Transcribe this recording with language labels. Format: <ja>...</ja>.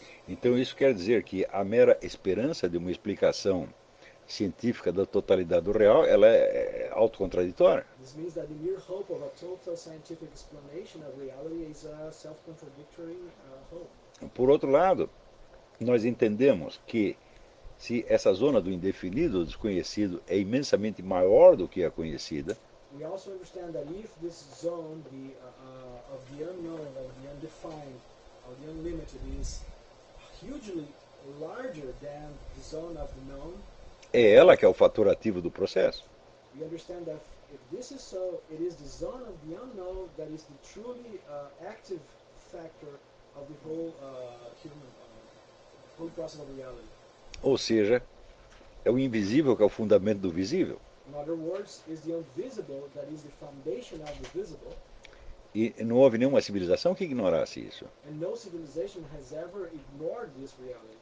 <pt>Então isso quer dizer que a mera esperança de uma explicação científica da totalidade do real, ela é autocontraditória.</pt> <en>This means that the mere hope of a total scientific explanation of reality is a self-contradictory hope.</en> <pt>Por outro lado, nós entendemos que se essa zona do indefinido, do desconhecido, é imensamente maior do que a conhecida,</pt> <en>we also understand that if this zone the, of the unknown, of the undefined, of the unlimited is hugely larger than the zone of the known.</en> <pt>É ela que é o fator ativo do processo.</pt> <en>We understand that if this is so, it is the zone of the unknown that is the truly active factor of the whole human whole process of reality.</en> <pt>Ou seja, é o invisível que é o fundamento do visível.</pt> <en>In other words, it's the invisible that is the foundation of the visible.</en> <pt>E não houve nenhuma civilização que ignorasse isso.</pt> <en>And no civilization has ever ignored this reality.</en>